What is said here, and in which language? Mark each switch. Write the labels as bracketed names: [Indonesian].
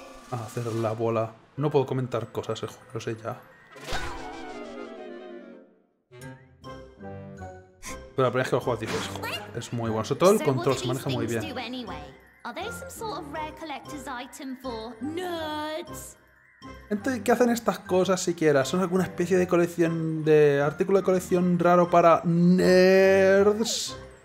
[Spanish] A hacer la bola. No puedo comentar cosas, lo sé ya. Pero la primera vez que lo juegas dices, es muy bueno. Sobre todo el control, se maneja muy bien. [English] Are they some sort of rare collector's item for nerds? [Spanish] Entonces, ¿qué hacen estas cosas siquiera? ¿Son alguna especie de colección de artículo de colección raro para nerds?